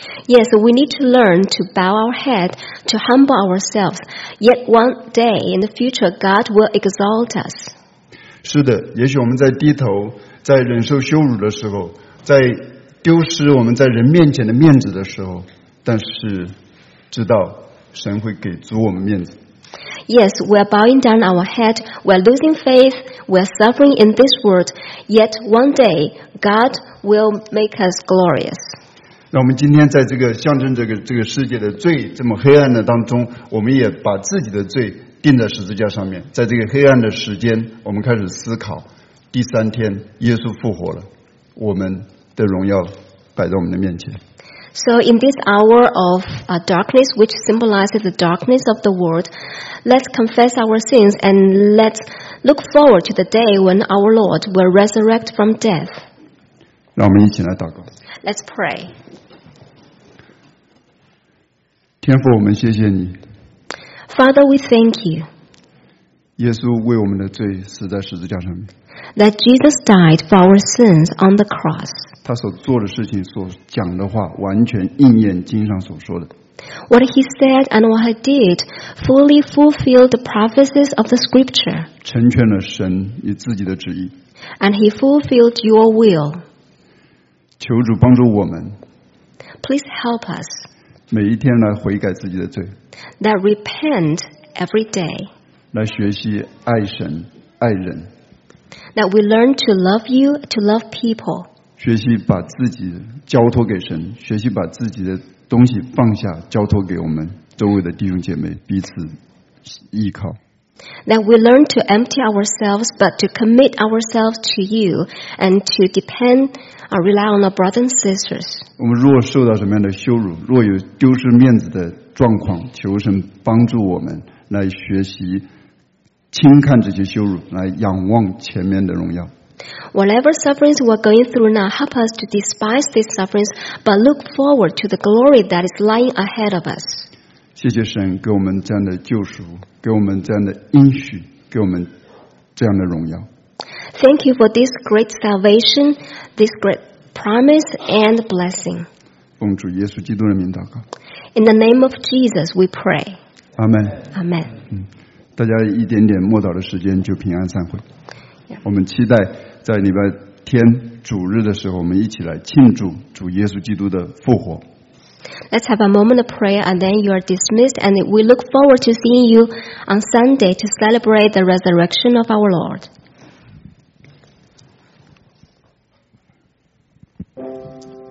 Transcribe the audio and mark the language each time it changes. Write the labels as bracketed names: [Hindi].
[English] Yes, we need to learn to bow our head, to humble ourselves. Yet one day in the future, God will exalt us. [Chinese] 是的，也许我们在低头，在忍受羞辱的时候，在丢失我们在人面前的面子的时候，但是知道神会给足我们面子。 [English] Yes, we are bowing down our head, we are losing faith, we are suffering in this world, yet one day God will make us glorious. [Chinese] 让我们今天在这个象征这个世界的罪这么黑暗的当中，我们也把自己的罪钉在十字架上面，在这个黑暗的时间，我们开始思考，第三天耶稣复活了，我们的荣耀摆在我们的面前。 [English] So in this hour of darkness, which symbolizes the darkness of the world, let's confess our sins and let's look forward to the day when our Lord will resurrect from death. [Chinese] 让我们一起来祷告。 [English] Let's pray. [Chinese] 天父，我们谢谢你。 [English] Father, we thank you. [Chinese] 耶稣为我们的罪死在十字架上面。 [English] That Jesus died for our sins on the cross. [Chinese] 他所做的事情所讲的话完全应验经上所说的。 [English] What he said and what he did fully fulfilled the prophecies of the scripture. [Chinese] 成全了神与自己的旨意。 [English] And he fulfilled your will. [Chinese] 求主帮助我们。 [English] Please help us. [Chinese] 每一天来悔改自己的罪。 [English] That repent every day. [Chinese] 来学习爱神爱人。 [English] That we learn to love you, to love people. [Chinese] 学习把自己交托给神，学习把自己的东西放下，交托给我们周围的弟兄姐妹，彼此依靠。 [English] That we learn to empty ourselves, but to commit ourselves to you, and to depend or rely on our brothers and sisters. [Chinese] 我们若受到什么样的羞辱，若有丢失面子的状况，求神帮助我们来学习轻看这些羞辱，来仰望前面的荣耀。 [English] Whatever sufferings we're going through now, help us to despise these sufferings, but look forward to the glory that is lying ahead of us. [Chinese] 谢谢神给我们这样的救赎，给我们这样的应许，给我们这样的荣耀。 [English] Thank you for this great salvation, this great promise and blessing. [Chinese] 奉主耶稣基督的名祷告。 [English] In the name of Jesus, we pray. Amen. Amen. [Chinese] 大家一点点默祷的时间就平安散会。 Yeah. 我们期待在礼拜天主日的时候，我们一起来庆祝主耶稣基督的复活。 [English] Let's have a moment of prayer, and then you are dismissed. And we look forward to seeing you on Sunday to celebrate the resurrection of our Lord.